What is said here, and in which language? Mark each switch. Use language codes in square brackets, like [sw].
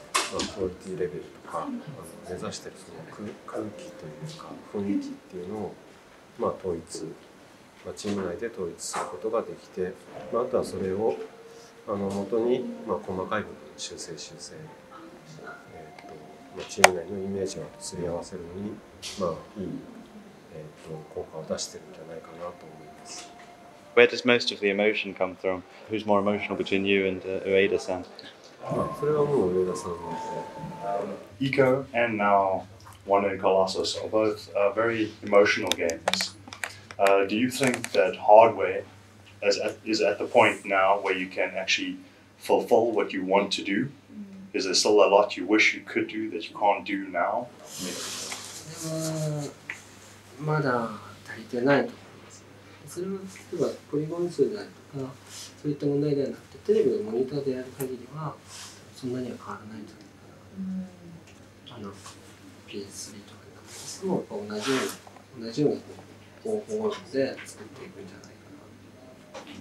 [ja] まあ、クオリティレベルとか、目指してるその 空気というか、雰囲気っていうのを、まあ、統一、まあ、チーム内で統一することができて、まあ、あとはそれを、元に、まあ、細かい部分修正修正、まあ、チーム内のイメージをすり合わせるのに、まあ、いい、効果を出してるんじゃないかなと思います。 [en] Where does most of the emotion come from? Who's more emotional between you and Ueda-san? [ja] それはもう Ueda-san なんで。 [en] Ico and now Wanda and Colossus are both very emotional games. Do you think that hardware is at the point now where you can actually fulfill what you want to do? Mm. Is there still a lot you wish you could do that you can't do now? [ja] でもまだ足りてないと思います。それは例えばポリゴン数であるとかそういった問題ではなくて、テレビのモニターでやる限りはそんなには変わらないんじゃないかな。 Mm. PS3 とかになっても同じような方法で作っていくんじゃないかな。